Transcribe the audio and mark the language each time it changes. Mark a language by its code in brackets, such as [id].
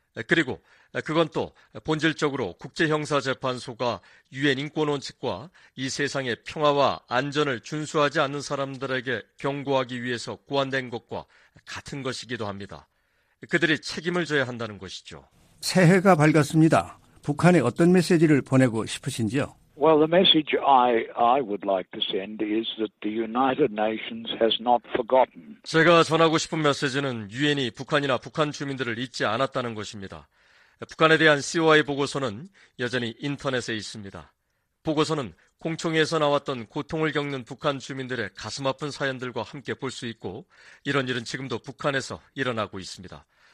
[ko] 그리고 그건 또 본질적으로 국제형사재판소가 유엔 인권원칙과 이 세상의 평화와 안전을 준수하지 않는 사람들에게 경고하기 위해서 구안된 것과 같은 것이기도 합니다. 그들이 책임을 져야 한다는 것이죠. 새해가 밝았습니다. 북한에 어떤 메시지를 보내고 싶으신지요? [en] Well, the message I would like to send is that the United Nations has not forgotten. [ko] 제가 전하고 싶은 메시지는 유엔이 북한이나 북한 주민들을 잊지 않았다는 것입니다. 북한에 대한 COI 보고서는 여전히 인터넷에 있습니다. 보고서는 공청회에서 나왔던 고통을 겪는 북한 주민들의 가슴 아픈 사연들과 함께 볼 수 있고 이런 일은 지금도 북한에서 일어나고 있습니다.